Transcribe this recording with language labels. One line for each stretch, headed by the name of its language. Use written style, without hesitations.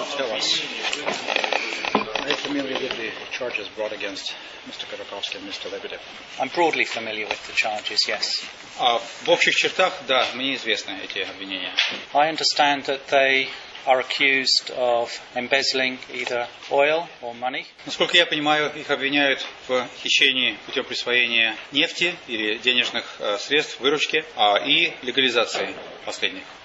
English: Are you familiar with the charges brought against Mr. Kodakovsky and Mr. Lebedev? I'm broadly familiar with the charges, yes.
Russian: В общих чертах, да, мне известны эти обвинения.
English: I understand that they are accused of embezzling either oil or money.
Russian: Насколько я понимаю, их обвиняют в хищении путем присвоения нефти или денежных средств, выручки, и легализации последних.